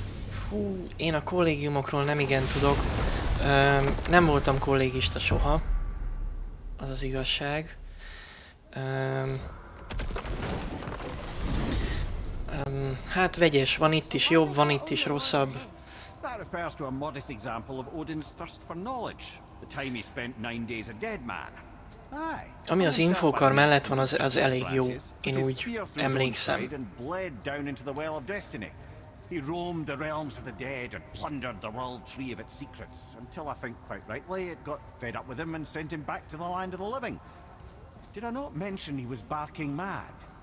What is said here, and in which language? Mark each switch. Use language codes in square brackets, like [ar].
[hu] Fú, én a kollégiumokról nem igen tudok. Nem voltam kollégista soha. Az az igazság. Hát vegyes, van itt is jobb, van itt is rosszabb. [en] That refers to a modest example of Odin's thirst for knowledge. The time he spent 9 days a dead man. [hu] Ami az infókar mellett van, az elég jó, én úgy emlékszem. [en] Bled down into the well of destiny. He roamed the realms of the dead and plundered the world tree of its secrets until I think quite rightly it got fed up with him and sent him back to the land of the living. Did I not mention he was barking mad?